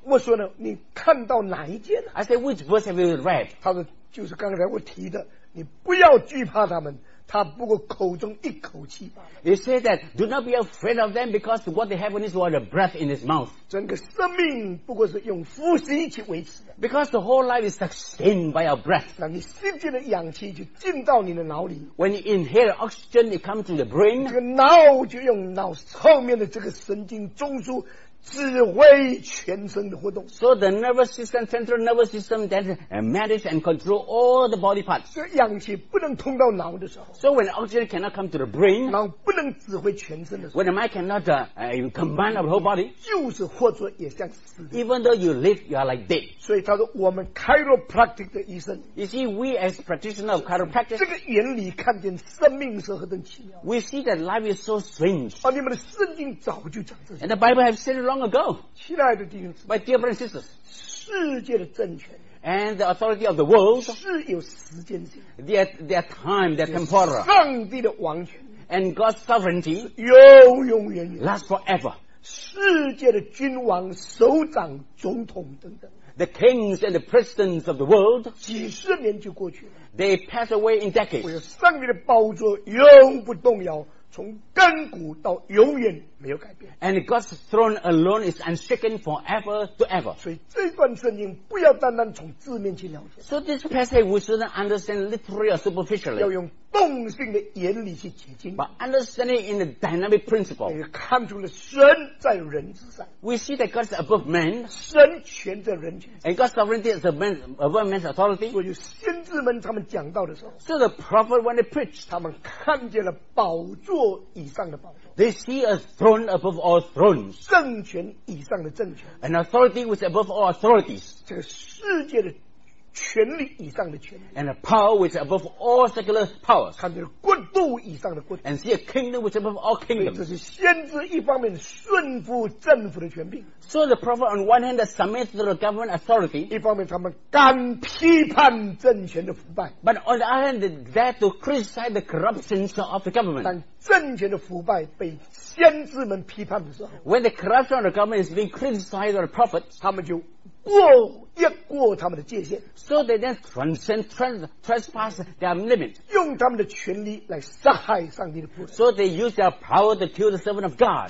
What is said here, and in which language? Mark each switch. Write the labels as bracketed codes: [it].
[zh] 我说呢，你看到哪一节呢 [en] ？I said which verse have you read？ [zh] 他说就是刚才我提的，你不要惧怕他们，他不过口中一口气。 [en] He said that do not be afraid of them because what they have is what a breath in his mouth。 [zh] 整个生命不过是用呼吸去维持的。 [en] Because the whole life is sustained by a breath。 [zh] 那你吸进的氧气就进到你的脑里。 [en] When you inhale oxygen, it comes to the brain。 [zh] 这个脑就用脑后面的这个神经中枢。指挥全身的活动 [en] So the nervous system, central nervous system that manage and control all the body parts [zh] 所以氧气不能通到脑的时候 [en] So when oxygen cannot come to the brain [zh] 脑不能指挥全身的时候 [en] When the mind cannot command of the whole body [zh] 就是或者也像死 [en] Even though you live, you are like dead [zh] 所以他说我们 chiropractic 的医生 [en] You see, we as practitioner of chiropractic [zh] 这个原理看见生命是何等奇妙 [en] We see that life is so strange [zh] 你们的圣经早就讲这些 [en] And the Bible has said long ago. [zh] 亲爱的弟兄姊妹 [en] My dear brothers and sisters. [zh] 世界的政权 [en] And the authority of the world. [zh] 是有时间性 [en] their time, their temporal. [zh] 上帝的王权 [en] And God's sovereignty. [zh] 永永远远 [en] Last forever. [zh] 世界的君王首长总统等等 [en] The kings and the presidents of the world. [zh] 几十年就过去了 [en] They pass away in decades. [zh] 我有上帝的宝座永不动摇从根骨到永远没有改变 [en] And God's throne alone is unshaken forever to ever [zh] 所以这段圣经不要单单从字面去了解 [en] So this passage we shouldn't understand literally or superficially [zh] 要用动性的原理去解经 [en] But understand it in the dynamic principle [zh] 看出了神在人之上 [en] We see that God is above man [zh] 神权在人权 [en] And God's sovereignty is above man's authority [zh] 所以先知们他们讲到的时候 [en] So the prophet when they preach [zh] 他们看见了宝座以上的宝座 [en] They see a throne above all thrones [zh] 政权以上的政权 [en] An authority which is above all authorities [zh] 这个世界的权力以上的权力 [en] And a power which is above all secular powers [zh] 看见国度以上的国度 [en] And see a kingdom which is above all kingdoms [zh] 这是先知一方面顺服政府的权柄 [en] So the prophet on one hand submits to the government authority [zh] 一方面他们敢批判政权的腐败 [en] But on the other hand they dare to criticize the corruption of the government [zh] 但政权的腐败被先知们批判的时候 [en] When the corruption of the government is being criticized by the prophet [zh] 他们就过越过他们的界限 [en] So they then transcend, trespass their limit [zh] 用他们的权力来杀害上帝的仆人 [en] So they use their power to kill the servant of God